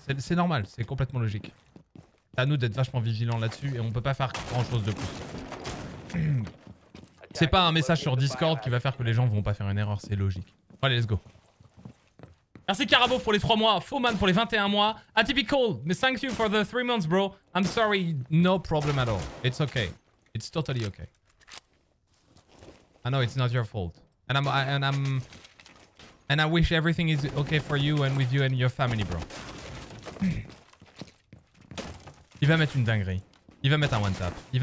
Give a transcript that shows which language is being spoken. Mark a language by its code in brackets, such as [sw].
[fr] C'est normal, c'est complètement logique. C'est à nous d'être vachement vigilants là-dessus et on peut pas faire grand chose de plus. C'est pas un message sur Discord qui va faire que les gens vont pas faire une erreur, c'est logique. Allez, [en] let's go. [fr] Merci Carabo pour les 3 mois, Foman pour les 21 mois. [en] Atypical, mais thank you for the 3 months, bro. I'm sorry, no problem at all. It's okay. It's totally okay. I know it's not your fault. And I wish everything is okay for you and with you and your family, bro. [fr] Il va mettre une dinguerie. Il va mettre un one-tap.